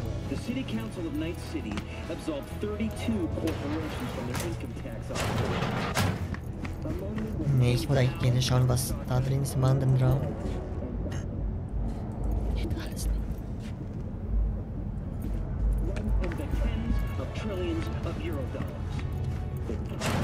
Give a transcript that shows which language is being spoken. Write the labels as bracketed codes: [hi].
[en] The City Council of Night City absolved 32 corporations from their income tax obligations. [de] Nee, ich wollte eigentlich gerne schauen, was da drin ist im anderen Raum. Nicht alles. [en] One of the tens of trillions of euro dollars.